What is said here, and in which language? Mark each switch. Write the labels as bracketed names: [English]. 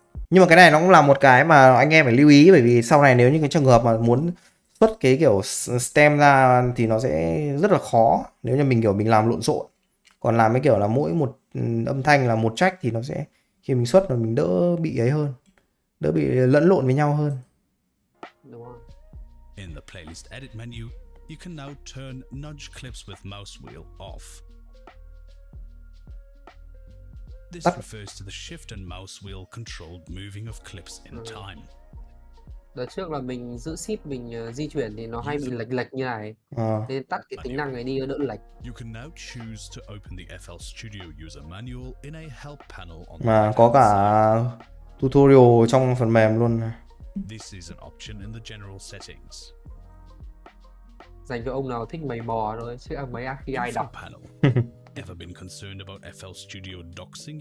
[Vietnamese] Nhưng mà cái này nó cũng là một cái mà anh em phải lưu ý, bởi vì sau này nếu như cái trường hợp mà muốn xuất cái kiểu stem ra thì nó sẽ rất là khó nếu như mình kiểu mình làm lộn xộn. Còn làm cái kiểu là mỗi một âm thanh là một track thì nó sẽ khi mình xuất là mình đỡ bị ấy hơn. Đỡ bị lẫn lộn với nhau hơn. [English] In the playlist edit menu, you can now turn nudge clips with mouse wheel off. This refers to the shift and mouse wheel controlled moving of clips in time. [Vietnamese] Đợt trước là mình giữ shift mình di chuyển thì nó hay bị lệch lệch như này. Nên tắt cái tính năng này đi đỡ lệch. [English] You can now choose to open the FL Studio user manual in a help panel on the [Vietnamese] có cả tutorial trong phần mềm luôn. [English] This is an option in the general settings. [Vietnamese] Dành cho ông nào thích mày mò rồi chứ ăn mấy khi ai đọc. [English] Ever been concerned about FL Studio doxing